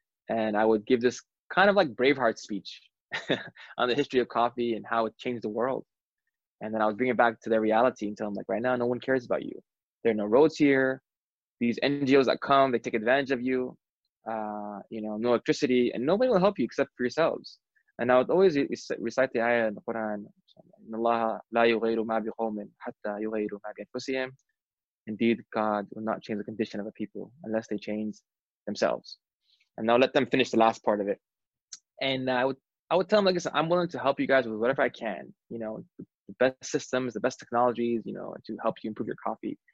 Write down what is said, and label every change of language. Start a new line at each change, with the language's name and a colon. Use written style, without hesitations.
English: And I would give this kind of like Braveheart speech on the history of coffee and how it changed the world. And then I would bring it back to their reality and tell them, like, right now, no one cares about you. There are no roads here. These NGOs that come, they take advantage of you. You know, no electricity, and nobody will help you except for yourselves. And I would always recite the ayah in the Quran,
Arabic: إن الله لا يغير ما بقوم حتى يغيروا ما بأنفسهم.
English: Indeed, God will not change the condition of a people unless they change themselves. And now let them finish the last part of it. And I would tell them, like, I'm willing to help you guys with whatever I can. You know, the best systems, the best technologies, you know, to help you improve your coffee.